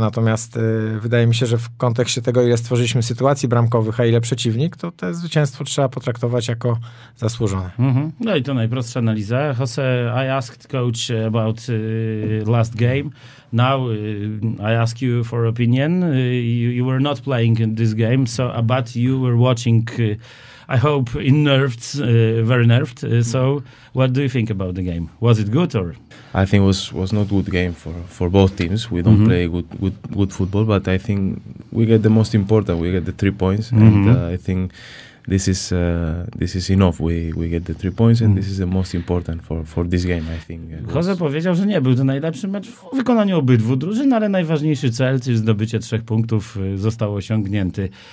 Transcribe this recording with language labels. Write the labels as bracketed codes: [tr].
[pl] Natomiast wydaje mi się, że w kontekście tego, ile stworzyliśmy sytuacji bramkowych, a ile przeciwnik, to te zwycięstwo trzeba potraktować jako zasłużone. Mm-hmm. No i to najprostsza analiza. [en] Jose, I asked coach about last game. Now I ask you for opinion. You were not playing in this game, so but you were watching, I hope, unnerved, very nerved. So what do you think about the game? Was it good or? I think it was not good game for both teams. We don't mm-hmm. play good football, but I think we get the most important. We get the 3 points, mm-hmm. and I think this is enough. We get the 3 points, and mm-hmm. this is the most important for this game, I think. [pl] Jose powiedział, że nie był to najlepszy mecz w wykonaniu obydwu drużyn, ale najważniejszy cel, czyli zdobycie 3 punktów, został osiągnięty.